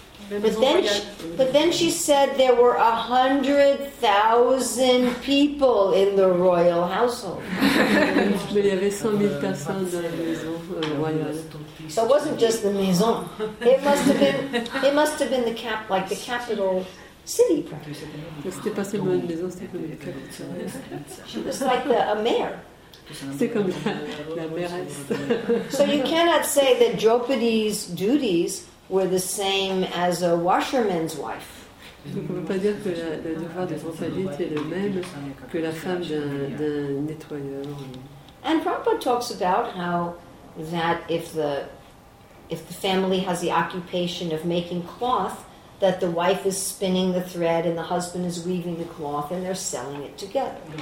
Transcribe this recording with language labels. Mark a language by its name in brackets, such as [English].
[English] But then she said there were 100,000 people in the royal household. [French] Mais il y avait 100,000 personnes dans la maison royale. [English] So it wasn't just the maison. It must have been the cap, like the capital city. [French] C'était pas seulement une maison, c'était comme la capitale. [English] She was like a mayor. [French] C'est comme la mairesse. [English] So you cannot say that Draupadi's duties were the same as a washerman's wife. [French] On ne peut pas dire que le devoir de Draupadi était le même que la femme d'un nettoyeur. [English] And Prabhupada talks about how that if the family has the occupation of making cloth, that the wife is spinning the thread and the husband is weaving the cloth and they're selling it together.